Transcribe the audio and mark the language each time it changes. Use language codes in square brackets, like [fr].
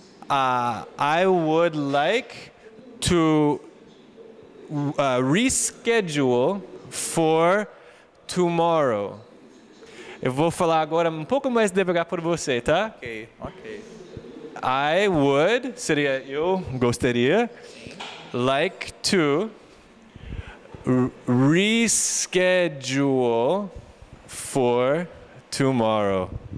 [en] I would like to reschedule for tomorrow. [pt] Eu vou falar agora um pouco mais devagar para você, tá? Ok. [en] I would, [pt] seria eu gostaria, [en] like to reschedule for tomorrow.